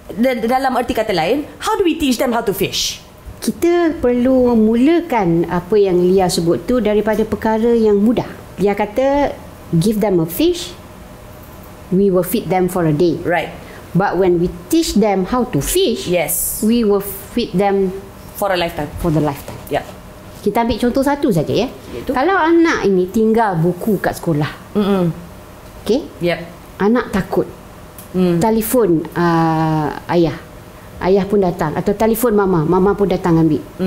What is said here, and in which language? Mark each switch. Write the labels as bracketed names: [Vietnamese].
[English] Dalam erti kata lain, how do we teach them how to fish? [Malay] Kita perlu mulakan apa yang Lia sebut tu daripada perkara yang mudah. [English] Lia kata, give them a fish, we will feed them for a day. Right. But when we teach them how to fish, yes, we will feed them for a lifetime. For the lifetime. Yeah. [Malay] Kita ambil contoh satu saja ya. Itu. Kalau anak ini tinggal buku kat sekolah, okay? [English] Yep. [Malay] Anak takut. Telefon ayah. Ayah pun datang. Atau telefon mama. Mama pun datang ambil.